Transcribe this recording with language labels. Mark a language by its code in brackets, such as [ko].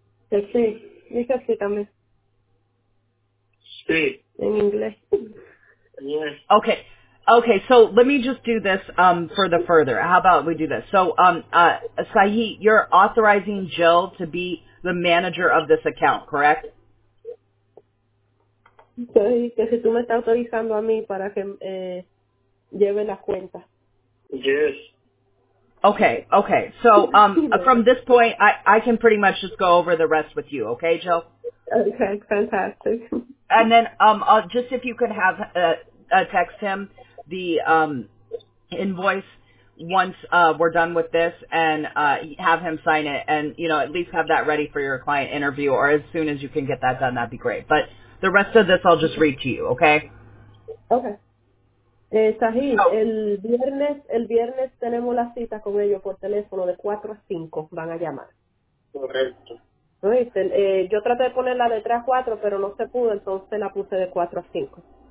[es] Sí. Sí. [en] In English. Yes. Okay. Okay, so let me just do this for the further. How about we do this? So, Sahi, you're authorizing Jill to be the manager of this account, correct? [es] Sí, que si tú me estás autorizando a mí para que lleve la cuenta. [en] Yes. Okay, okay. So from this point, I can pretty much just go over the rest with you, okay, Jill? Okay, fantastic. And then just if you could have text him the invoice once we're done with this and have him sign it and, you know, at least have that ready for your client interview or as soon as you can get that done, that'd be great. But the rest of this I'll just read to you, okay? Okay. Sahi, oh. [es] el viernes tenemos la cita con ellos por teléfono de 4 a 5, van a llamar. Correcto. ¿No? Yo traté de poner la de 3 a 4, pero no se pudo, entonces la puse de 4 a 5.